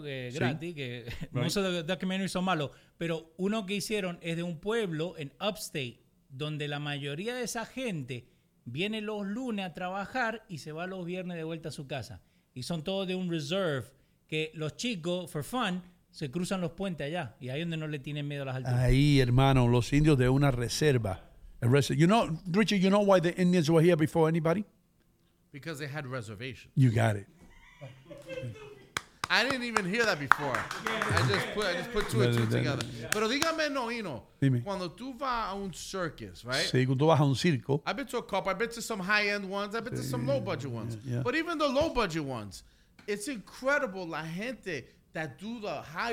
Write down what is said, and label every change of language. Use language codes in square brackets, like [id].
[es] Gratis, sí. Muchos de los [en] documentaries [es] son malos, pero uno que hicieron es de un pueblo en Upstate, donde la mayoría de esa gente viene los lunes a trabajar y se va los viernes de vuelta a su casa. Y son todos de un reserve que los chicos, [en] for fun, [es] se cruzan los puentes allá. Y ahí es donde no le tienen miedo a las alturas. Ahí, hermano, los indios de una reserva. [en] You know, Richie, you know why the Indians were here before anybody? Because they had reservations. You got it. I didn't even hear that before. I just put two and two together. [es] Pero dígame, Noino, cuando tú vas a un [en] circus, right? [es] Sí, cuando vas a un circo. [en] I've been to a couple. I've been to some high-end ones. I've been to some low-budget ones. Yeah. But even the low-budget ones, it's incredible [es] la gente [en] that do the high...